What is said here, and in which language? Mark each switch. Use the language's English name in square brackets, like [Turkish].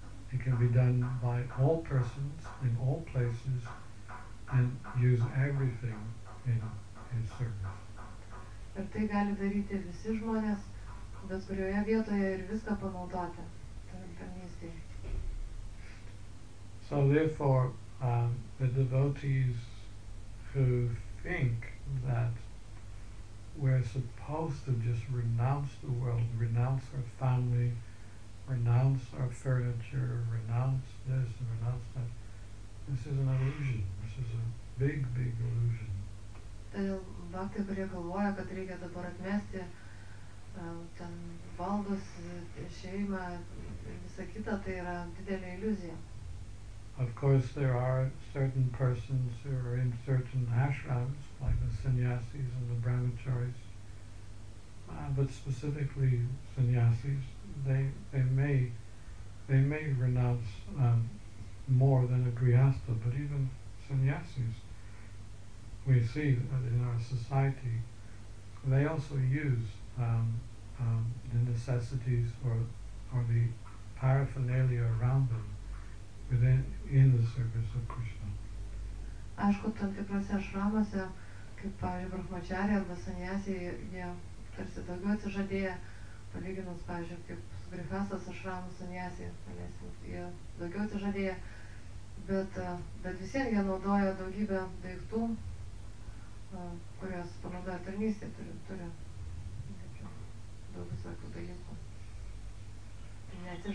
[English] It can be done by all persons in all places and use everything in service. [Lithuanian] Ir tai gali daryti visi žmonės, bet kurioje vietoje ir viską panaudoti. [English] So therefore, the devotees who think that we're supposed to just renounce the world, renounce our family, renounce our furniture, renounce this and renounce that, this is an illusion. This is a big, big illusion. [Lithuanian] Todėl bhakti, kurie galvoja, kad reikia dabar atmesti ten valdus, šeimą ir visą kitą, tai yra didelė iliuzija. [English] Of course, there are certain persons who are in certain ashrams, like the sannyasis and the brahmacharis, but specifically sannyasis, they may renounce more than a grihastha, but even sannyasis, we see that in our society, they also use the necessities or the paraphernalia around them. In the service of Krishna. [Lithuanian] Aišku, tam tikrose ašramose, kaip pavyzdžiui, brahmačiariai arba sanyasiai, jie tarsi daugiau atsižadėję, palyginus, pavyzdžiui, kaip su grihastas ašramu sanyasiai, jie daugiau atsižadėję, bet visiems jie naudoja daugybę daiktų, kurios panaudoja tarnystė, turi daug visokių dalykų. Tai